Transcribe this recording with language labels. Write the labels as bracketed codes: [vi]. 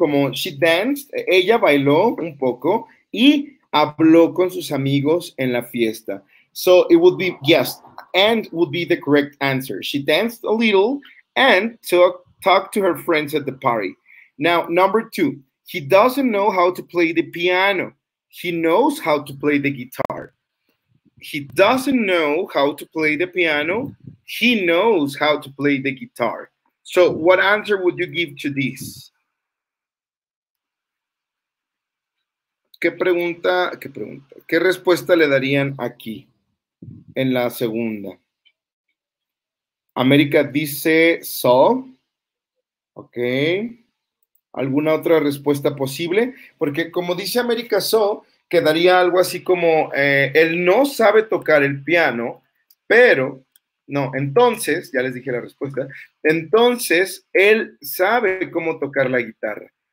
[en] she danced, [es] ella bailó un poco y habló con sus amigos en la fiesta. [en] So it would be yes, and would be the correct answer. She danced a little and talked to her friends at the party. Now, number two, he doesn't know how to play the piano. He knows how to play the guitar. He doesn't know how to play the piano. He knows how to play the guitar. So what answer would you give to this? [es] ¿Qué pregunta? ¿Qué respuesta le darían aquí en la segunda? América dice so. Ok. ¿Alguna otra respuesta posible? Porque como dice América so, quedaría algo así como él no sabe tocar el piano, pero, no, entonces, ya les dije la respuesta, entonces él sabe cómo tocar la guitarra.